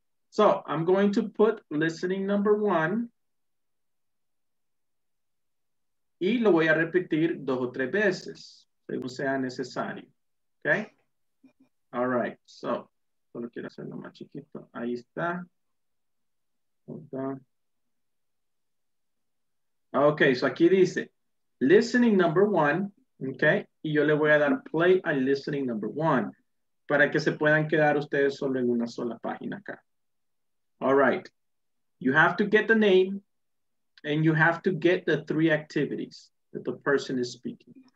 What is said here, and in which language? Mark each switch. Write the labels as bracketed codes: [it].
[en] So I'm going to put listening number one. [es] Y lo voy a repetir dos o tres veces, según sea necesario. Okay. All right. So. Solo quiero hacerlo más chiquito. Ahí está. [en] Ok, so [es] aquí dice [en] listening number one. [es] Ok, y yo le voy a dar play a listening number one para que se puedan quedar ustedes solo en una sola página acá. [en] All right. You have to get the name and you have to get the three activities that the person is speaking.